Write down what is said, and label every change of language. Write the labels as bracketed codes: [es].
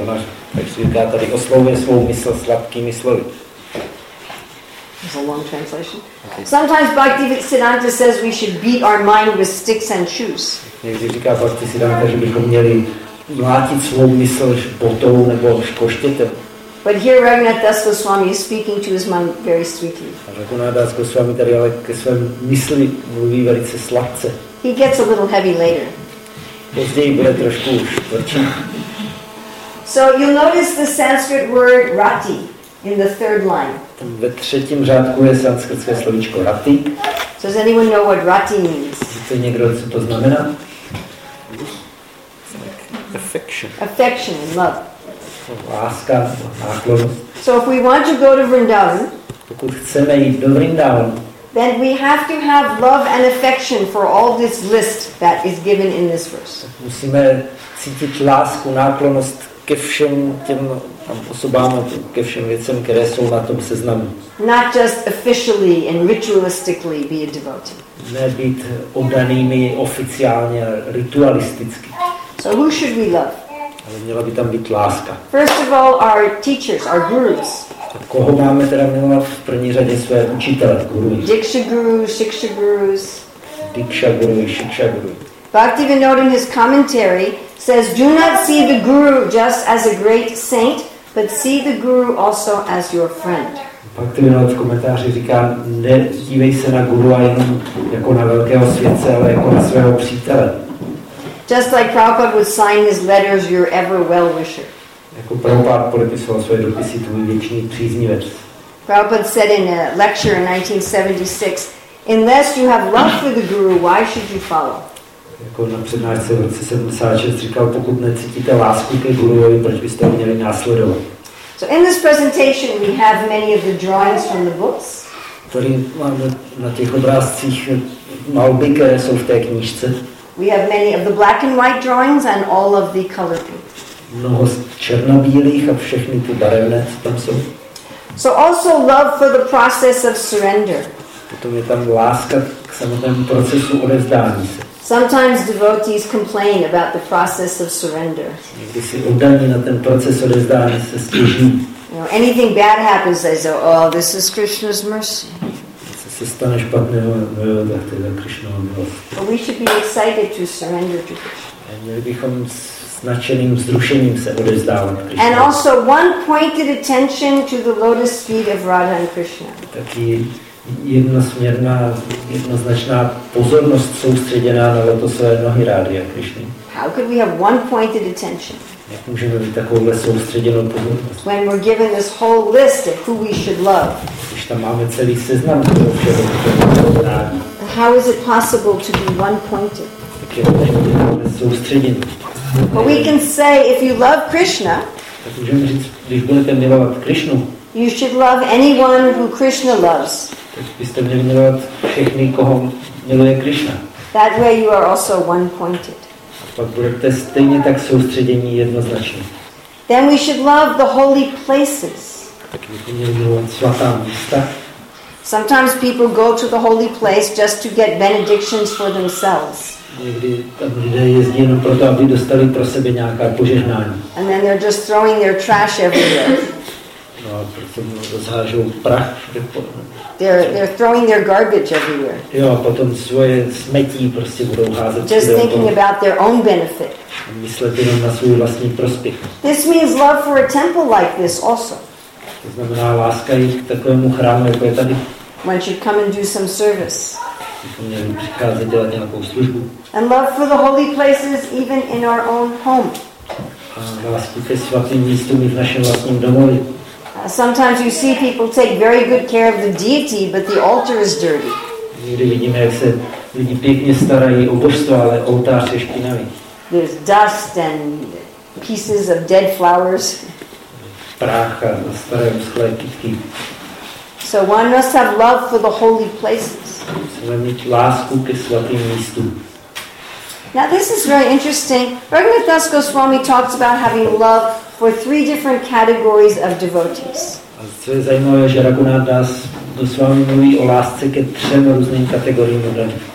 [cs] Ona tak říká tady oslovuje svou mysl sladkými slovy. [en] It's a long translation. Okay. Sometimes Bhaktisiddhanta says we should beat our mind with sticks and shoes. [cs] Někdy říká Bhaktisiddhanta, že bychom měli mlátit svou mysl botou nebo škoštětem. [en] But here Raghunath Das Goswami is speaking to his mind very sweetly. [cs] Raghunath Das Goswami tady ale ke své mysli mluví velice sladce. [en] He gets a little heavy later. [cs] Později bude trošku už tvrdší. [en] So you'll notice the Sanskrit word rati in the third line. [cs] Tam ve třetím řádku je sanskritské slovíčko rati. [en] So does anyone know what rati means? [cs] Víte někdo, co to znamená? [en] Affection. Affection and love. [cs] Láska, [en] so if we want to go to Vrindavan, [cs] pokud chceme jít do Vrindavan, [en] then we have to have love and affection for all this list that is given in this verse. [cs] Musíme cítit lásku, náklonost ke všem těm osobám, ke všem věcem, které jsou na tom seznamu. [en] Not just officially and ritualistically be a devotee. [cs] Ne být oddanými oficiálně ritualisticky. [en] So who should we love? [cs] Ale měla by tam být láska. [en] First of all, our teachers, our gurus. [cs] A koho máme teda milovat v první řadě své učitele, gurus? [en] Diksha gurus, shiksha gurus. Diksha gurus, shiksha gurus. Bhaktivinoda in his commentary says, do not see the guru just as a great saint, but see the guru also as your friend. [cs] Bhaktivinoda v komentáři říká, nedívej se na guru jenom jako na velkého světce, ale jako na svého přítele. [en] Just like Prabhupada would sign his letters, your ever well-wisher. [cs] Jako Prabhupada podepisoval své dopisy, tvůj věčný příznivec. [en] Prabhupada said in a lecture in 1976, unless you have love for the guru, why should you follow? [cs] Jako na přednášce v roce 76 říkal, pokud necítíte lásku ke guruovi, proč byste ho měli následovat? [en] So in this presentation we have many of the drawings from the books. [cs] Tady máme na těch obrázcích malby, které jsou v té knížce. [en] We have many of the black and white drawings and all of the color paintings. [cs] Mnoho černobílých a všechny ty barevné tam jsou. [en] So also love for the process of surrender. [cs] Potom je tam láska k samotnému procesu odevzdání se. [en] Sometimes devotees complain about the process of surrender. [cs] Někdy si oddaní na ten proces odevzdání se stěží. [en] Anything bad happens, they say, oh, this is Krishna's mercy. [cs] Se stane špatného, no jo, tak to je Krishnova milost. [en] We should be excited to surrender to Krishna. [cs] A měli bychom s nadšeným vzrušením se odevzdávat Krishna. [en] And also one pointed attention to the lotus feet of Radha and Krishna. [cs] Taky jednosměrná, jednoznačná pozornost soustředěná na lotosové nohy Rádhy a Krishny. [en] How could we have one pointed attention? [cs] Jak můžeme mít takovouhle soustředěnou pozornost? [en] When we're given this whole list of who we should love. [cs] Když tam máme celý seznam toho všeho, kdo je. [en] How is it possible to be one pointed? [cs] Tak jak můžeme být soustředěný? [en] But we can say, if you love Krishna, [cs] tak můžeme říct, když budete milovat Krishnu, [en] you should love anyone who Krishna loves. [cs] Tak byste měli milovat všechny, koho miluje Krishna. [en] That way you are also one pointed. [cs] Pak budete stejně tak soustředění jednoznačně. [en] Then we should love the holy places. [cs] Tak bychom měli milovat svatá místa. [en] Sometimes people go to the holy place just to get benedictions for themselves. [cs] Někdy tam lidé jezdí jenom proto, aby dostali pro sebe nějaká požehnání. [en] And then they're just throwing their trash everywhere. [cs] No a potom rozhážou prach. [en] They're throwing their garbage everywhere. [cs] Jo, a potom svoje smetí prostě budou házet. [en] Just thinking about their own benefit. [cs] Myslet jenom na svůj vlastní prospěch. [en] This means love for a temple like this also. [cs] To znamená láska i k takovému chrámu, jako je tady. [en] One should come and do some service. [cs] Bychom měli přicházet dělat nějakou službu. [en] And love for the holy places even in our own home. [cs] A lásku ke svatým místům i v našem vlastním domově. [en] Sometimes you see people take very good care of the deity, but the altar is dirty. [cs] Někdy vidíme, jak se lidi pěkně starají o božstvo, ale oltář je špinavý. [en] There's dust and pieces of dead flowers. [cs] Prach a staré uschlé kytky. [en] So one must have love for the holy places. [cs] Musíme mít lásku ke svatým místům. [en] Now this is very interesting. Raghunath Das Goswami talks about having love for three different categories of devotees. [cs] A co je zajímavé, že Raghunath Das Goswami mluví o lásce ke třem různým kategoriím lidí.